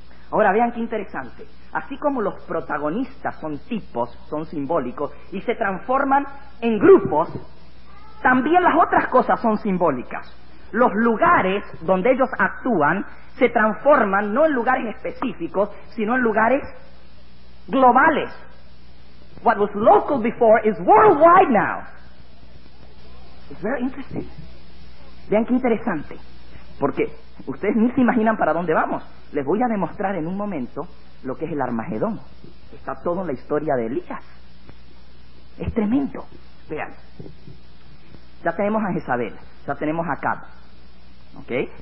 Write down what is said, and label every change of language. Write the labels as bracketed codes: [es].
[es] Ahora vean qué interesante. Así como los protagonistas son tipos, son simbólicos, y se transforman en grupos, también las otras cosas son simbólicas. Los lugares donde ellos actúan se transforman no en lugares específicos, sino en lugares globales. [en] What was local before is worldwide now. It's very interesting. [es] Vean qué interesante. Porque ustedes ni se imaginan para dónde vamos. Les voy a demostrar en un momento lo que es el Armagedón. Está todo en la historia de Elías. Es tremendo. Vean. Ya tenemos a Jezabel, ya tenemos a Acab, ¿ok?